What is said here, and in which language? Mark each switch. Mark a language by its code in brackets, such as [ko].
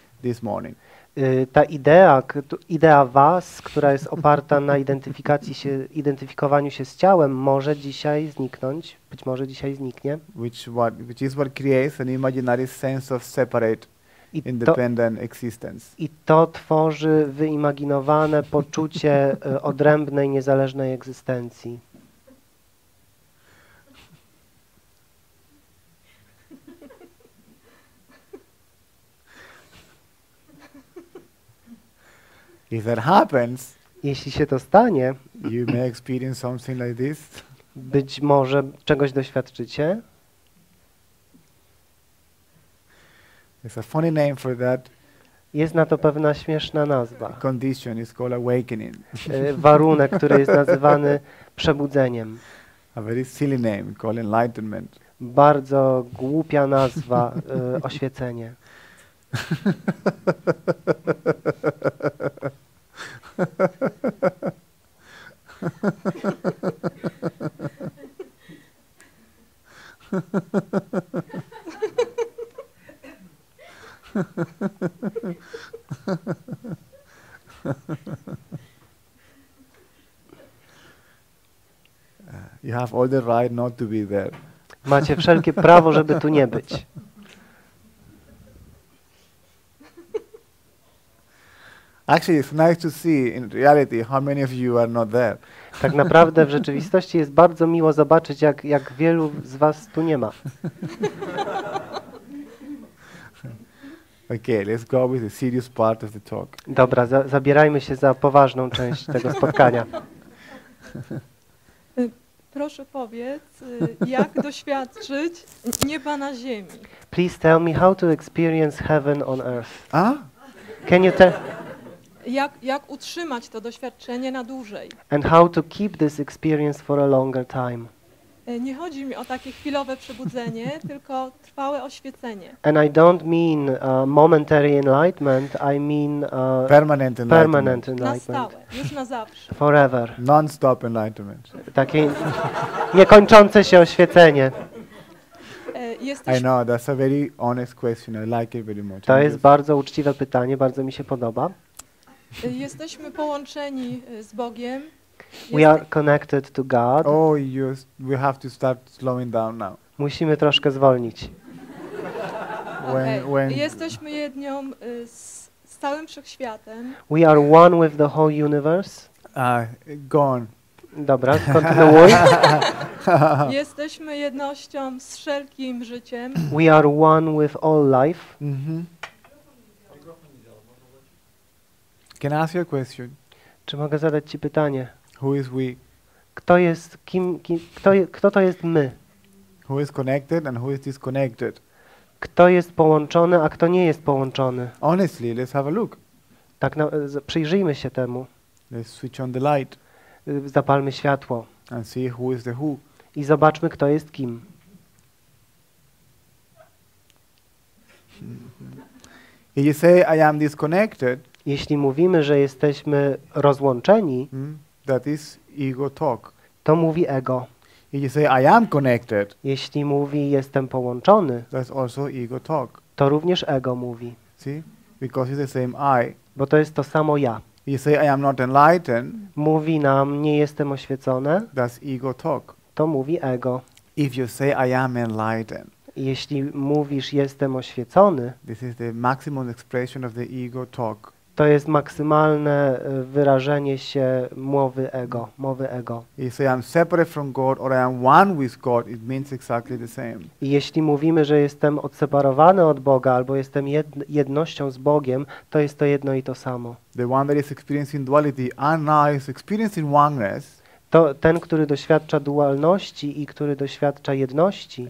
[en] this morning. [pl] Ta idea was, która jest oparta na identyfikowaniu się z ciałem, może dzisiaj zniknąć, być może dzisiaj zniknie. [en] Which is what creates an imaginary sense of separate, independent existence. [pl] I to tworzy wyimaginowane poczucie odrębnej, niezależnej egzystencji. [en] If that happens, [pl] jeśli się to stanie, [en] you may experience something like this. [pl] Być może czegoś doświadczycie. [en] There's a funny name for that. [pl] Jest na to pewna śmieszna nazwa. [en] Condition is called awakening. [pl] Warunek, który jest nazywany przebudzeniem. [en] A very silly name called enlightenment. [pl] Bardzo głupia nazwa, oświecenie. [en] You have all the right not to be there. [pl] Macie wszelkie prawo, żeby tu nie być. [en] Actually, it's nice to see in reality how many of you are not there. [pl] Tak naprawdę w rzeczywistości jest bardzo miło zobaczyć, jak wielu z was tu nie ma. [en] Okay, let's go with the serious part of the talk. [pl] Dobra, zabierajmy się za poważną część tego spotkania. Proszę powiedz, jak doświadczyć nieba na ziemi? [en] Please tell me how to experience heaven on earth. A? Can you tell? [pl] Jak utrzymać to doświadczenie na dłużej? [en] And how to keep this experience for a longer time? [pl] Nie chodzi mi o takie chwilowe przebudzenie, tylko trwałe oświecenie. [en] And I don't mean momentary enlightenment, I mean permanent enlightenment. [pl] Na stałe, już na zawsze. [en] Forever. Non-stop enlightenment. [pl] Takie niekończące się oświecenie. [en] I know, that's a very honest question, I like it very much. [pl] To jest bardzo uczciwe pytanie, bardzo mi się podoba. Jesteśmy połączeni z Bogiem. [en] We are connected to God. Oh, we have to start slowing down now. [pl] Musimy troszkę zwolnić. Jesteśmy jednią z całym wszechświatem. [en] We are one with the whole universe. Go on. [pl] Dobra, kontynuuj. Jesteśmy jednością z wszelkim życiem. [en] We are one with all life. Mm-hmm. Can I ask you a question? [pl] Czy mogę zadać ci pytanie? [en] Who is we? [pl] Kto jest kto to jest my? [en] Who is connected and who is disconnected? [pl] Kto jest połączony, a kto nie jest połączony? [en] Honestly, let's have a look. [pl] Tak, przyjrzyjmy się temu. [en] Let's switch on the light. [pl] Zapalmy światło. [en] And see who is the who. [pl] I zobaczmy, kto jest kim. [en] If you say I am disconnected. [pl] Jeśli mówimy, że jesteśmy rozłączeni, [en] That is ego talk. [pl] To mówi ego. [en] If you say I am connected. [pl] Jeśli mówi jestem połączony. [en] That's also ego talk. [pl] To również ego mówi. [en] See? Because it's the same I. [pl] Bo to jest to samo ja. [en] If you say I am not enlightened. [pl] Mówi nam nie jestem oświecony. [en] That's ego talk. [pl] To mówi ego. [en] If you say I am enlightened. [pl] Jeśli mówisz jestem oświecony. [en] This is the maximum expression of the ego talk. [pl] To jest maksymalne wyrażenie się mowy ego, mowy ego. [en] If I am separate from God or I am one with God, it means exactly the same. [pl] I jeśli mówimy, że jestem odseparowany od Boga albo jestem jednością z Bogiem, to jest to jedno i to samo. [en] The one that is experiencing duality and now is experiencing oneness. [pl] To ten, który doświadcza dualności i który doświadcza jedności.